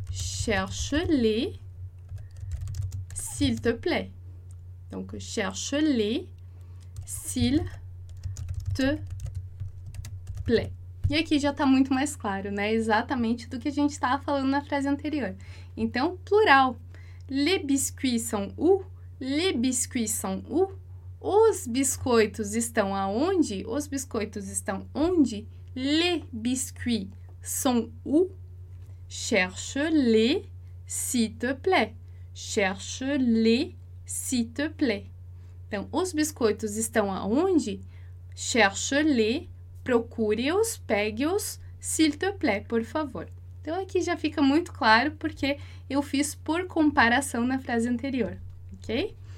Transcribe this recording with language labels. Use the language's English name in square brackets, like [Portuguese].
[French] Cherche-les, s'il te plaît. Donc, cherche-les, s'il te plaît. [Portuguese] E aqui já está muito mais claro, né? Exatamente do que a gente estava falando na frase anterior. Então, plural. [French] Les biscuits sont où? Les biscuits sont où? [Portuguese] Os biscoitos estão aonde? Os biscoitos estão onde? [French] Les biscuits sont où? Cherche-les, s'il te plaît. Cherche-les, s'il te plaît. [Portuguese] Então, os biscoitos estão aonde? [French] Cherche-les. [Portuguese] Procure-os, pegue-os, [French] s'il te plaît, [Portuguese] por favor. Então, aqui já fica muito claro porque eu fiz por comparação na frase anterior, ok?